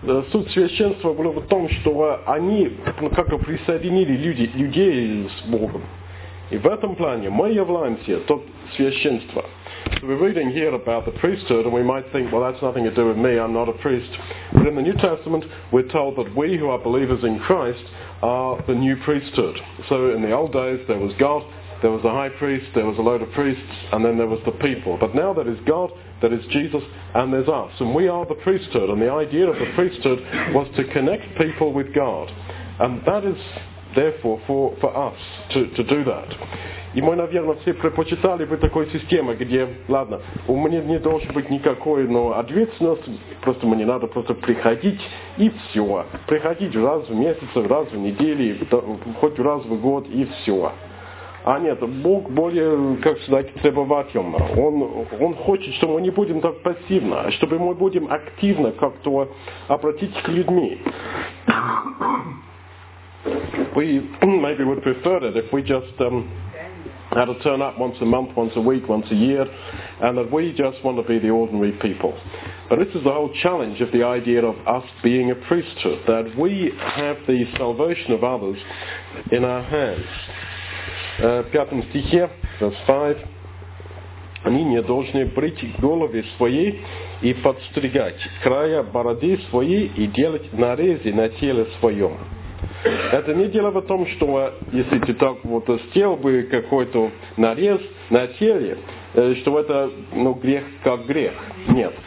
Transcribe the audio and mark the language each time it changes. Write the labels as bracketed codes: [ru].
[ru] Суть священства была в том, что они как-то присоединили людей с Богом. И в этом плане мы являемся то священство. [en] So we're reading here about the priesthood, and we might think, well, that's nothing to do with me, I'm not a priest. But in the New Testament, we're told that we who are believers in Christ are the new priesthood. So in the old days, there was God, there was a high priest, there was a load of priests, and then there was the people. But now there is God, there is Jesus, and there's us. And we are the priesthood, and the idea of the priesthood was to connect people with God. And that is, therefore, for us to do that. [ru] И мы, наверное, все предпочитали бы такой системы, где, ладно, у меня не должен быть никакой, но ответственность, просто мне надо просто приходить, и все. Приходить раз в месяц, раз в неделю, хоть раз в год, и все. А нет, Бог более, как сказать, требовательно. Он хочет, чтобы мы не будем так пассивно, а чтобы мы будем активно как-то обратиться к людьми. [en] We maybe would prefer it if we just had to turn up once a month, once a week, once a year, and that we just want to be the ordinary people. But this is the whole challenge of the idea of us being a priesthood, that we have the salvation of others in our hands. [ru] Пятом стихе, [en] verse 5. [ru] Они не должны брить головы свои и подстригать края бороды свои и делать нарезы на теле своем. Это не дело в том, что если ты так вот сделал бы какой-то нарез на теле, что это грех как грех. Нет.